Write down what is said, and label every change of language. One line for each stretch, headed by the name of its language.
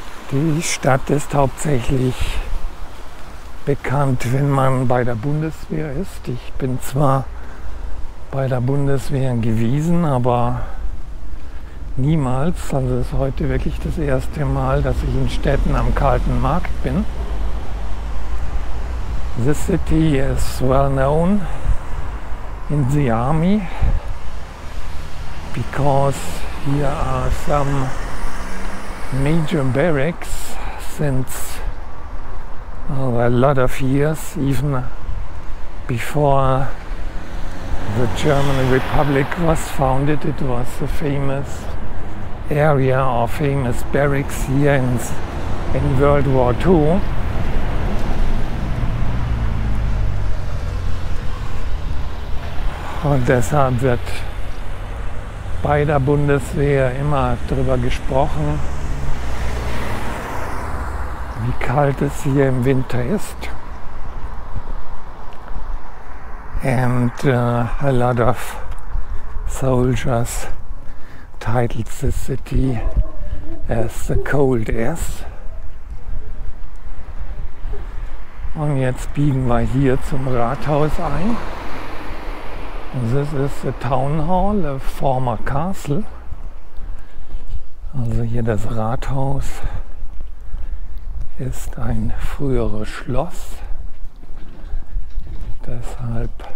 German: Die Stadt ist hauptsächlich bekannt, wenn man bei der Bundeswehr ist. Ich bin zwar bei der Bundeswehr gewesen, aber niemals. Also es ist heute wirklich das erste Mal, dass ich in Stetten am Kalten Markt bin.
English: This city is well known in the army, because here are some major barracks since a lot of years, even before the German Republic was founded. It was a famous area or famous barracks here in World War II.
German: Und deshalb wird bei der Bundeswehr immer darüber gesprochen, wie kalt es hier im Winter ist.
English: And a lot of soldiers titled the city as the cold as.
German: Und jetzt biegen wir hier zum Rathaus ein.
English: This is the town hall, a former castle.
German: Also hier das Rathaus ist ein früheres Schloss, deshalb